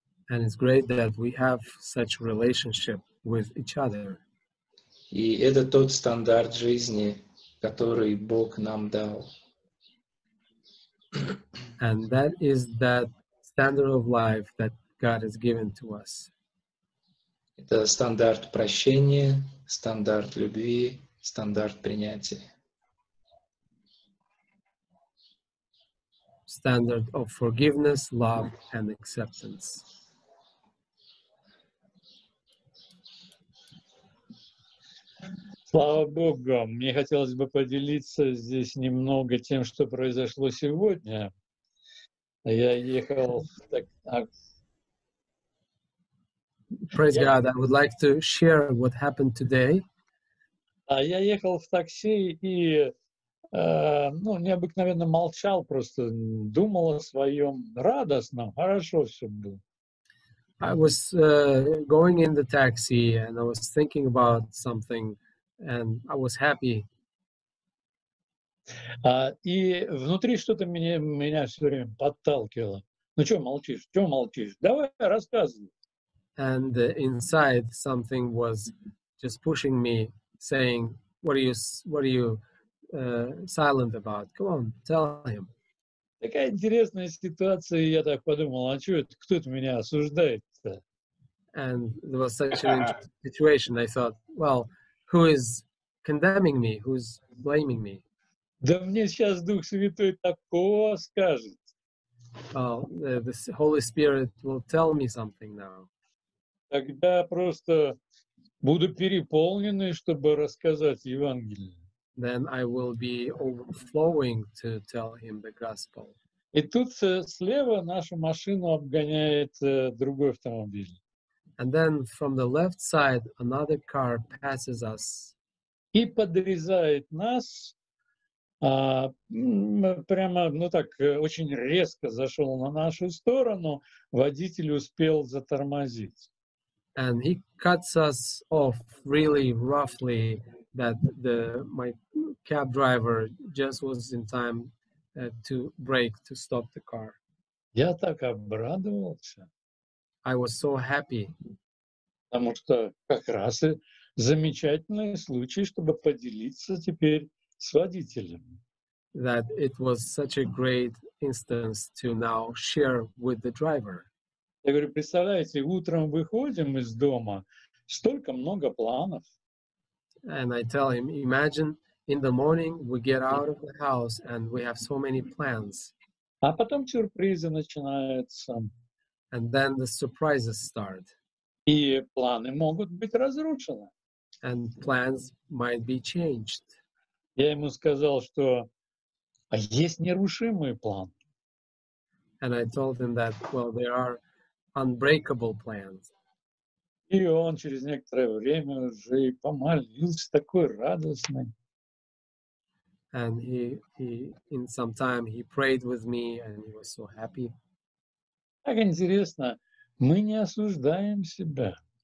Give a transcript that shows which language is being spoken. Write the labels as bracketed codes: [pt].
[en] And it's great that we have such relationship with each other. [ru] И это тот стандарт жизни, который Бог нам дал. [en] And that is that standard of life that God has given to us. [ru] Это стандарт прощения, стандарт любви, стандарт принятия. [en] Standard of forgiveness, love and acceptance. [ru] Слава Богу! Мне хотелось бы поделиться здесь немного тем, что произошло сегодня. Я ехал [en] Praise God, I would like to share what happened today. [ru] Я ехал в такси и, необыкновенно молчал, просто думал о своем, радостно, хорошо все было. [en] I was going in the taxi and I was thinking about something and I was happy. [ru] И внутри что-то меня все время подталкивало. Ну что молчишь, что молчишь? Давай, рассказывай. [en] And inside something was just pushing me, saying, "What are you silent about? Come on, tell him. [ru] Такая интересная ситуация, я так подумал, а что это, кто это меня осуждает-то? [en] And there was such an interesting situation, I thought, well, who is condemning me, who is blaming me? [ru] Да мне сейчас Дух Святой такого скажет. [en] Well, the Holy Spirit will tell me something now. [ru] Тогда просто буду переполненный, чтобы рассказать Евангелие. [en] Then I will be overflowing to tell him the gospel. [ru] И тут слева нашу машину обгоняет другой автомобиль. [en] And then from the left side another car passes us. [ru] И подрезает нас прямо, ну так, очень резко зашел на нашу сторону, водитель успел затормозить. [en] And he cuts us off really roughly, that the my cab driver just was in time to brake, to stop the car. [ru] Я так обрадовался. [en] I was so happy. [ru] Потому что как раз и замечательный случай, чтобы поделиться теперь с водителем. [en] That it was such a great instance to now share with the driver. [ru] Я говорю, представляете, утром выходим из дома, столько много планов. [en] And I tell him, imagine in the morning we get out of the house and we have so many plans. [ru] А потом сюрпризы начинаются. [en] And then the surprises start. [ru] И планы могут быть разрушены. [en] And plans might be changed. [ru] Я ему сказал, что есть нерушимый план. [en] And I told him that, well, there are unbreakable plans. [ru] И он через некоторое время уже и помолился такой радостный. [en] And he in some time he prayed with me and he was so happy. [ru] Так интересно, мы не осуждаем себя.